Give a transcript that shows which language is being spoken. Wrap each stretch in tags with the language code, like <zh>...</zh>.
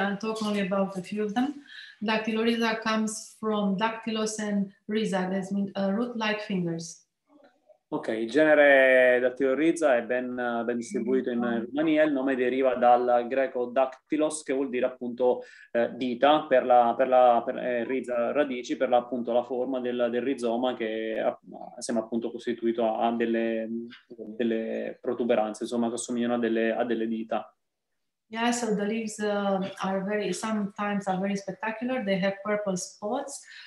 <en>I'll talk only about a few of them. Dactyloriza comes from dactylos and riza, that means root-like fingers.</en> <it>Ok, il genere Dactyloriza è ben distribuito in Romania, il nome deriva dal greco dactylos, che vuol dire appunto dita, per riza, radici, per appunto la forma del rizoma che sembra appunto costituito a delle protuberanze, insomma, che assomigliano a delle dita.</it> <en>Yeah, so the leaves are very spectacular, they have purple spots.</en>